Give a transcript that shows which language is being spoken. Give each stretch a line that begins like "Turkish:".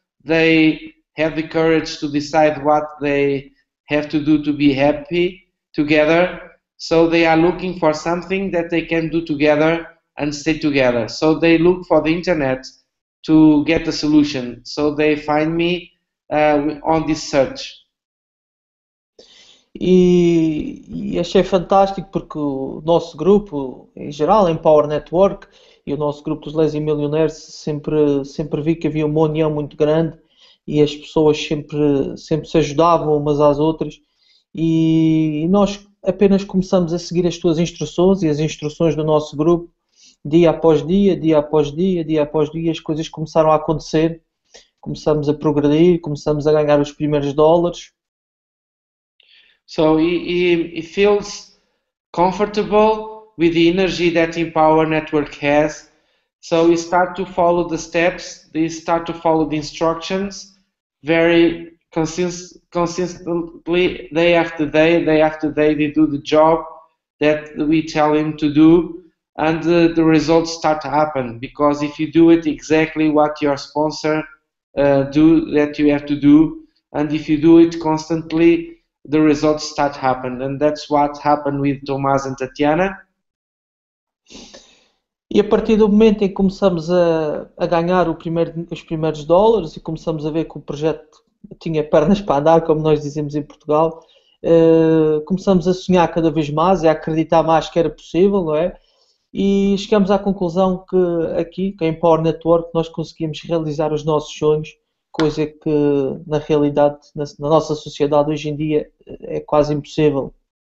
English: They have the courage to decide what they have to do to be happy together. So they are looking for something that they can do together and stay together. So they look for the internet to get a solution. So they find me on this search.
Portuguese: E achei fantástico porque o nosso grupo, em geral, Empower Network, e o nosso grupo dos Lazy Millionaires, sempre vi que havia uma união muito grande. E as pessoas sempre se ajudavam umas às outras e nós apenas começamos a seguir as tuas instruções e as instruções do nosso grupo dia após dia, dia após dia, dia após dia, as coisas começaram a acontecer, começamos a progredir, começamos a ganhar os primeiros dólares.
English: So he feels comfortable with the energy that Empower Network has, so he start to follow the steps, he start to follow the instructions very consistently, day after day, day after day, they do the job that we tell him to do, and the results start to happen, because if you do it exactly what your sponsor do that you have to do, and if you do it constantly, the results start to happen, and that's what happened with Tomás and Tatiana.
Portuguese: E a partir do momento em que começamos a ganhar os primeiros dólares e começamos a ver que o projeto tinha pernas para andar, como nós dizemos em Portugal, começamos a sonhar cada vez mais e a acreditar mais que era possível, não é? E chegamos à conclusão que aqui, com a Empower Network, nós conseguimos realizar os nossos sonhos, coisa que na realidade, na nossa sociedade hoje em dia, é quase impossível.